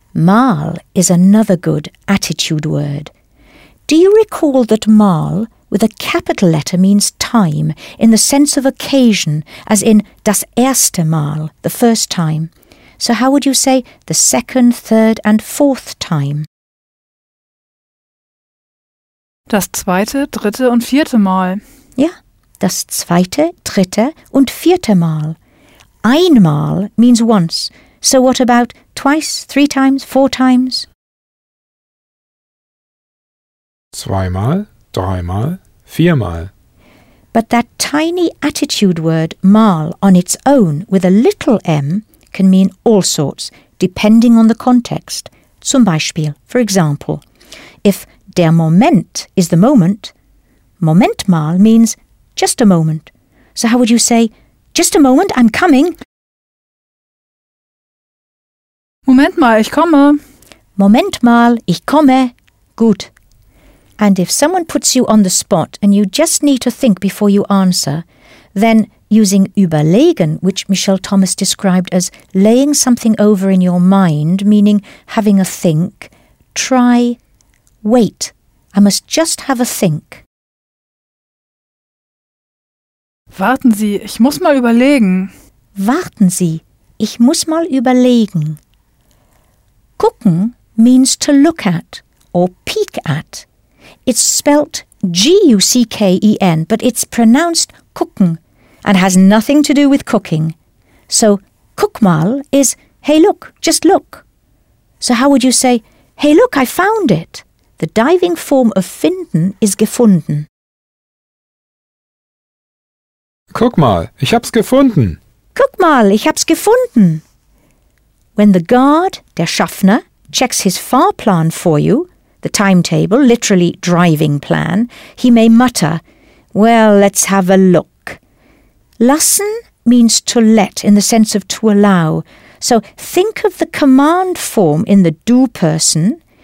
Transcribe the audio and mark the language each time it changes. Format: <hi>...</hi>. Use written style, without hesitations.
<en>Mal is another good attitude word. Do you recall that mal, with a capital letter, means time, in the sense of occasion, as in</en> <de>das erste Mal,</de> <en>the first time? So how would you say the second, third and fourth time?</en> <de>Das zweite, dritte und vierte Mal. Ja, das zweite, dritte und vierte Mal.</de> <en>Einmal means once. So what about twice, three times, four times?</en> <de>Zweimal, dreimal, viermal.</de> <en>But that tiny attitude word mal on its own with a little m can mean all sorts, depending on the context.</en> <de>Zum Beispiel,</de> <en>for example, if der Moment is the moment,</en> <de>Moment mal</de> <en>means just a moment. So how would you say, just a moment, I'm coming?</en> <de>Moment mal, ich komme. Moment mal, ich komme. Gut.</de> <en>And if someone puts you on the spot and you just need to think before you answer, then using überlegen, which Michelle Thomas described as laying something over in your mind, meaning having a think, try wait. I must just have a think.</en> <de>Warten Sie, ich muss mal überlegen. Warten Sie, ich muss mal überlegen.</de> <en>Gucken means to look at or peek at. It's spelt G-U-C-K-E-N, but it's pronounced gucken and has nothing to do with cooking. So,</en> <de>guck mal</de> <en>is, hey look, just look. So how would you say, hey look, I found it? The diving form of finden is gefunden.</en> <de>Guck mal, ich hab's gefunden. Guck mal, ich hab's gefunden.</de> <en>When the guard, der Schaffner, checks his Fahrplan for you, the timetable, literally driving plan, he may mutter, well, let's have a look. Lassen means to let in the sense of to allow. So think of the command form in the du person.</en>